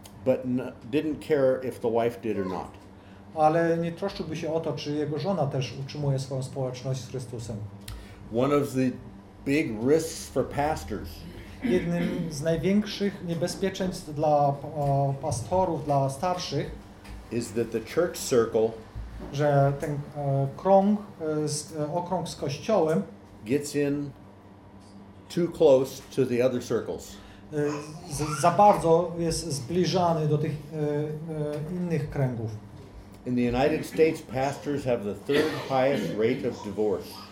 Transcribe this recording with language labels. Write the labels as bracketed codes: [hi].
[en] But didn't care if the wife did or not. [pl] Ale nie troszczyłby się o to, czy jego żona też utrzymuje swoją społeczność z Chrystusem. [en] One of the big risks for pastors. [pl] Jednym z największych niebezpieczeństw dla pastorów, dla starszych, [en] is that the church circle, [pl] że ten krąg, okrąg z kościołem, [en] gets in too close to the other circles. [pl] Za bardzo jest zbliżany do tych innych kręgów. [en] In the United States, pastors have the third highest rate of divorce.